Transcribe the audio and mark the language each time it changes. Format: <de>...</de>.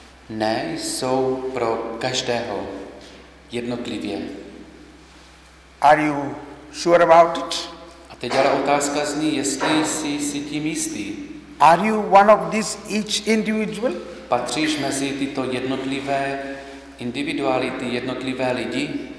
<cs>Ne, jsou pro každého jednotlivě.</cs> <en>Are you sure about it?</en> <cs>A teď ale otázka zní, jestli jsi si tím jistý.</cs> <en>Are you one of these each individual?</en> <cs>Patříš mezi tyto jednotlivé individuality, jednotlivé lidi?</cs>